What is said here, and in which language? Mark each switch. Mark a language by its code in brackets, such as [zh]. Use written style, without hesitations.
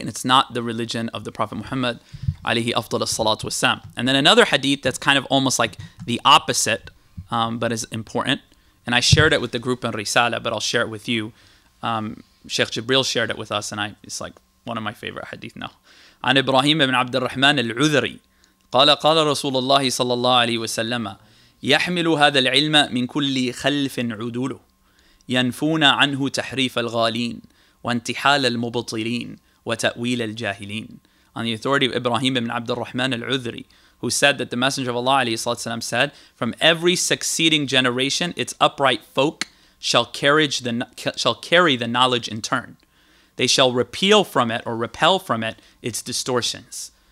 [en] And it's not the religion of the Prophet Muhammad, [ar] alayhi afdal as-salat was-salam. [en] And then another hadith that's kind of almost like the opposite, but is important. And I shared it with the group in Risala, but I'll share it with you. Sheikh Jibril shared it with us, and it's like one of my favorite hadith now. An Ibrahim ibn Abd al-Rahman al-Udhri. [ar] قال قال رسول الله صلى الله عليه وسلم يحمل هذا العلم من كل خلف عدوله ينفون عنه تحريف الغالين وانتحال المبطلين وتأويل الجاهلين. [en] On the authority of Ibrahim ibn Abd al-Rahman al-Udhri, who said that the Messenger of Allah [ar] عليه الصلاة والسلام [en] said, from every succeeding generation, its upright folk shall carry the knowledge in turn. They shall repel from it its distortions.